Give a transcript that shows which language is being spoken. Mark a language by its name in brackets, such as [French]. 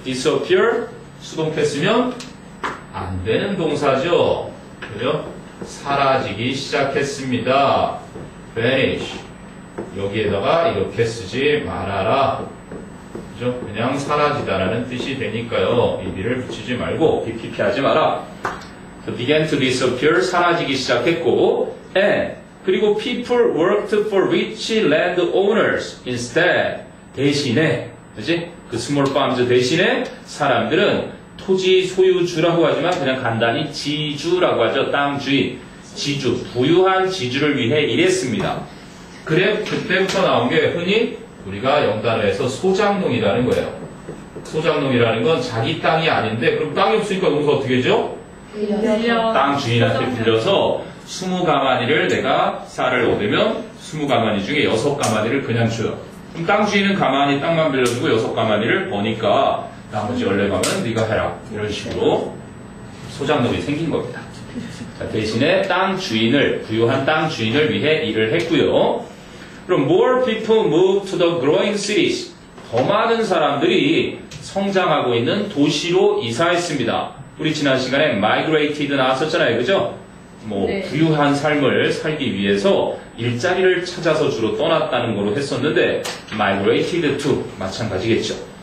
[Korean] Disappear, 수동 패스면 안 되는 동사죠. 그죠? 사라지기 시작했습니다. [English] Vanish. [Korean] 여기에다가 이렇게 쓰지 말아라. 그죠? 그냥 사라지다라는 뜻이 되니까요. ED를 붙이지 말고 PPP 하지 마라. [English] So began to disappear, [Korean] 사라지기 시작했고, [English] and [Korean] 그리고 [English] people worked for rich landowners instead. [Korean] 대신에, 그지? 그 [English] small farms [Korean] 대신에 사람들은 토지 소유주라고 하지만 그냥 간단히 지주라고 하죠. 땅 주인. 지주. 부유한 지주를 위해 일했습니다. 그래, 그때부터 나온 게 흔히 우리가 영단어에서 소장농이라는 거예요. 소장농이라는 건 자기 땅이 아닌데, 그럼 땅이 없으니까 농사 어떻게 하죠? 빌려. 땅 주인한테 빌려서 20가마니를 내가 쌀을 얻으면 20가마니 중에 6가마니를 그냥 줘요. 그럼 땅 주인은 가마니 땅만 빌려주고 6가마니를 버니까 나머지 14가마니는 네가 해라. 이런 식으로 소장농이 생긴 겁니다. 자, 대신에 땅 주인을, 부유한 땅 주인을 위해 일을 했고요. 그럼 [English] more people moved to the growing cities. [Korean] 더 많은 사람들이 성장하고 있는 도시로 이사했습니다. 우리 지난 시간에 migrated 나왔었잖아요. 그죠? 뭐 네. 부유한 삶을 살기 위해서 일자리를 찾아서 주로 떠났다는 거로 했었는데 migrated to 마찬가지겠죠.